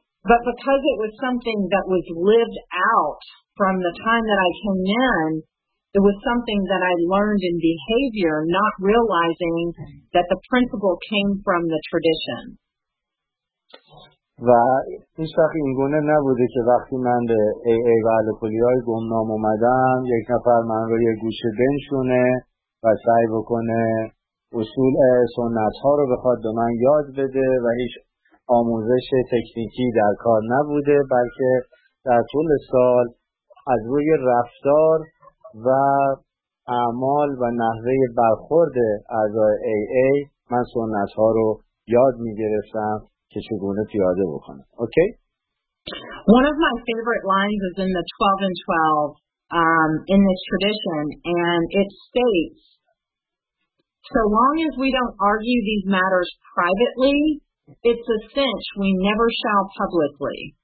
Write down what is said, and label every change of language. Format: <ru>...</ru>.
<en>But because it was something that was lived out from the time that I came in, it was something that I learned in behavior, not realizing that the principle came from the tradition.</en> <fa>و هیچ وقت این گونه نبوده که وقتی من به AA و الکلی های گمنام اومدم، یک نفر من رو یه گوشه بنشونه و سعی بکنه اصول سنت ها رو بخواد به من یاد بده و هیچ آموزش تکنیکی در کار نبوده، بلکه در طول سال از روی رفتار و اعمال و نحوه برخورد اعضای AA من سنت ها رو یاد میگرفتم که چگونه پیاده بکنم.</fa> <en>Okay? One of my favorite lines is in the 12 and 12 in this tradition, and it states, so long as we don't argue these matters privately, it's a cinch we never shall publicly.</en>